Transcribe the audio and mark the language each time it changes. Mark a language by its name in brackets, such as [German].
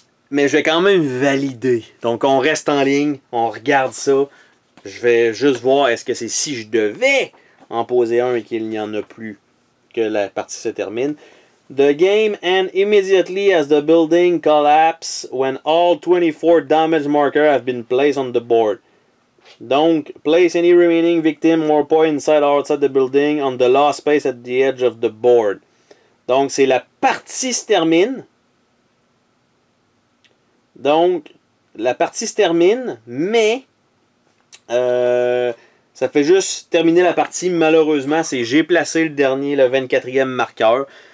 [French] Mais je vais quand même valider. Donc, on reste en ligne. On regarde ça. Je vais juste voir est-ce que c'est si je devais en poser un et qu'il n'y en a plus, que la partie se termine. [English] The game ends immediately as the building collapses when all 24 damage markers have been placed on the board. Donc, place any remaining victim or point inside or outside the building on the last space at the edge of the board. [French] Donc, c'est la partie se termine. Donc, la partie se termine, mais... ça fait juste terminer la partie, malheureusement, c'est j'ai placé le dernier, le 24e marqueur.